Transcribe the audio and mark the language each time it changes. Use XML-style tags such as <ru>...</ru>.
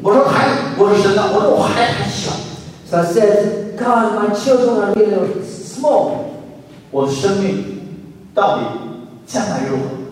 <zh>我说孩子，我说神啊，我说我孩子还小。</zh> <en>So I said, God, my children are really small.</en> <zh>我的生命到底将来如何？</zh>